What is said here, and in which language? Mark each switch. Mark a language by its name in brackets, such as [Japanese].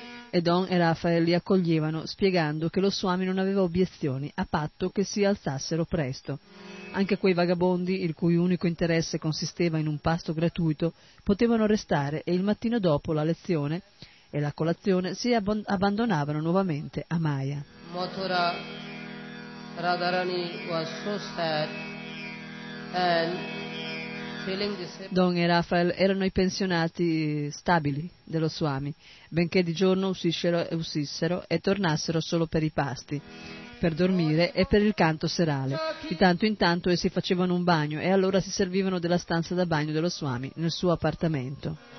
[Italian] E Don e Rafael li accoglievano, spiegando che lo Swami non aveva obiezioni, a patto che si alzassero presto. Anche quei vagabondi, il cui unico interesse consisteva in un pasto gratuito, potevano restare e il mattino dopo la lezione e la colazione si abbandonavano nuovamente a Maya. [English] Mathura Radharani was so sad and... [Italian] Don e Rafael erano i pensionati stabili dello Swami, benché di giorno uscissero e tornassero solo per i pasti, per dormire e per il canto serale. Di tanto in tanto essi facevano un bagno e allora si servivano della stanza da bagno dello Swami nel suo appartamento.